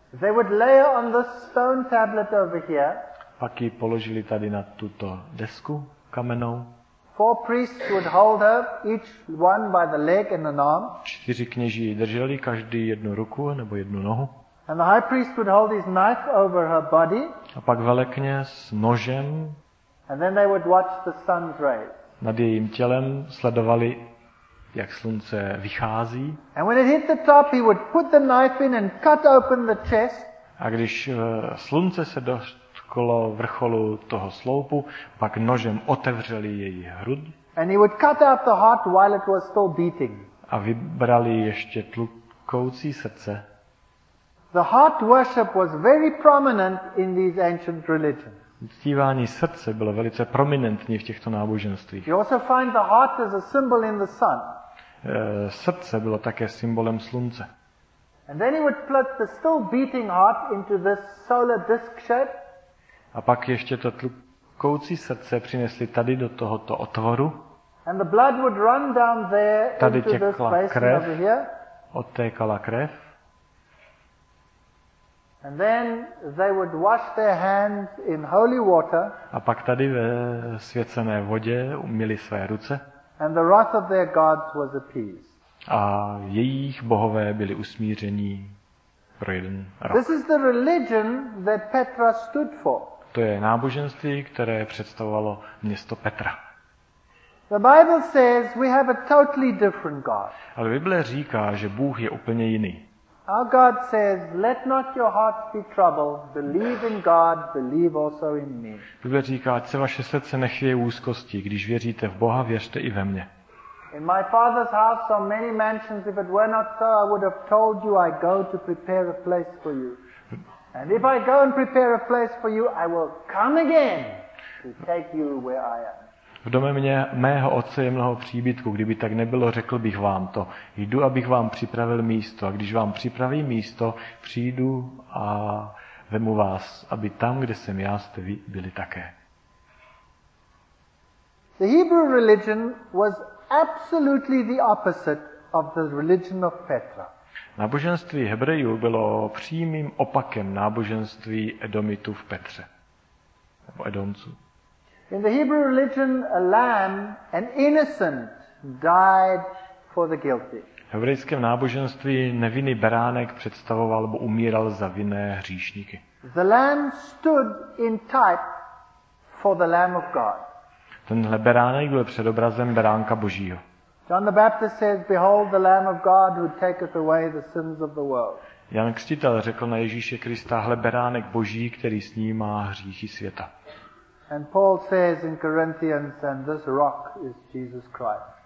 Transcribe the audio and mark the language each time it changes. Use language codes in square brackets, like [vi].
[en] They would lay on the stone tablet over here. [cs] Pak ji položili tady na tuto desku kamennou. [en] Four priests would hold her, each one by the leg and an arm. [cs] Čtyři kněží ji drželi, každý jednu ruku nebo jednu nohu. [en] And the high priest would hold his knife over her body. [cs] A pak velekněz s nožem. [en] And then they would watch the sun's rays. [cs] Nad jejím tělem sledovali, jak slunce vychází. [en] And when it hit the top, he would put the knife in and cut open the chest. [cs] A když slunce se dotklo vrcholu toho sloupu, pak nožem otevřeli její hrud. [en] And he would cut out the heart while it was still beating. [cs] A vybrali ještě tlukoucí srdce. [en] The heart worship was very prominent in these ancient religions. [cs] Uctívání srdce bylo velice prominentní v těchto náboženstvích. [en] You also find the heart as a symbol in the sun. [cs] Srdce bylo také symbolem slunce. [en] And then he would plug the still beating heart into this solar disk shape. [cs] A pak ještě to tlukoucí srdce přinesli tady do tohoto otvoru. [en] And the blood would run down there [cs] tady [en] into this space over here. [cs] Odtékala krev. [en] And then they would wash their hands in holy water. [cs] A pak tady ve svěcené vodě umyli své ruce. [en] And the wrath of their gods was appeased. [cs] A jejich bohové byli usmíření pro jeden rok. [en] This is the religion that Petra stood for. [cs] To je náboženství, které představovalo město Petra. [en] The Bible says we have a totally different God. [cs] Ale Bible říká, že Bůh je úplně jiný. [en] Our God says, let not your heart be troubled, believe in God, believe also in me. [cs] Bible říká, ať se vaše srdce nechvěje úzkosti, když věříte v Boha, věřte i ve mně. [en] In my father's house are many mansions, if it were not so, I would have told you I go to prepare a place for you. And if I go and prepare a place for you, I will come again to take you where I am. [cs] V domě mého otce je mnoho příbytků, kdyby tak nebylo, řekl bych vám to. Jdu, abych vám připravil místo, a když vám připravím místo, přijdu a vemu vás, aby tam, kde jsem já, jste byli také. [en] The Hebrew religion was absolutely the opposite of the religion of Petra. [cs] Náboženství Hebrejů bylo přímým opakem náboženství Edomitů v Petře. Nebo Edomců. [en] In the Hebrew religion, a lamb, an innocent, died for the guilty. [cs] V hebrejském náboženství nevinný beránek představoval nebo umíral za vinné hříšníky. [en] The lamb stood in type for the Lamb of God. [cs] Tenhle beránek byl předobrazem beránka Božího. [en] John the Baptist says, "Behold the Lamb of God who taketh away the sins of the world." [cs] Jan Křtitel řekl na Ježíše Krista, hle beránek Boží, který snímá hříchy světa. [en] And Paul says in Corinthians, and this rock is Jesus Christ.